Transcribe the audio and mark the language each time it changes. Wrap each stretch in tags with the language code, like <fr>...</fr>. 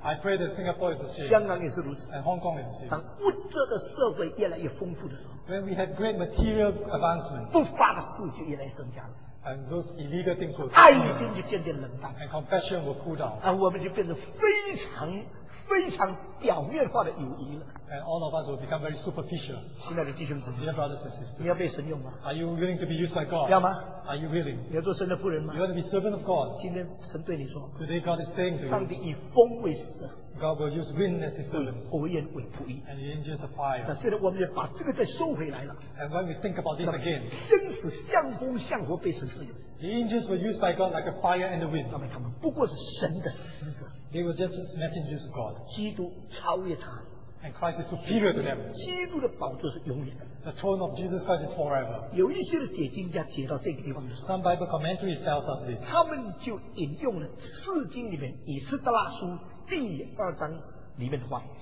<en>I pray that Singapore is the same.</en> <zh>香港也是如此。</zh> <en>And Hong Kong is the same.</en> <zh>当物质的社会越来越丰富的时候,</zh> <en>when we have great material advancement,</en> <zh>不法的事就越来越增加了。</zh> <en>And those illegal things will cool down.</en> <zh>爱心就渐渐冷淡。</zh> <en>And compassion will cool down.</en> <zh>而我们就变得非常 非常表面化的友谊了。</zh> <en>And all of us will become very superficial.</en> <zh>亲爱的弟兄姊妹,</zh> <en>dear brothers and sisters,</en> <zh>你要被神用吗?</zh> <en>Are you willing to be used by God?</en> <zh>要吗?</zh> <en>Are you willing?</en> <zh>你要做神的仆人吗?</zh> <en>You want to be servant of God?</en> <zh>今天神对你说,</zh> <en>today God is saying to you,</en> <zh>上帝以风为使者,</zh> <en>God will use wind as his servant,</en> <zh>火焰为仆役,</zh> <en>and the angels of fire.</en> <zh>但现在我们也把这个再收回来了,</zh> <en>and when we think about this again,</en> <zh>真是像风像火被神使用,</zh> <en>the angels were used by God like a fire and the wind.</en> <zh>他们不过是神的使者,</zh> <en>they were just messengers of God.</en> <zh>基督超越他,</zh> <en>and Christ is superior to them. The throne of Jesus Christ is forever. Some Bible commentaries tell us this.</en> <zh>他们就引用了圣经里面以斯拉书第二章里面的话,</zh>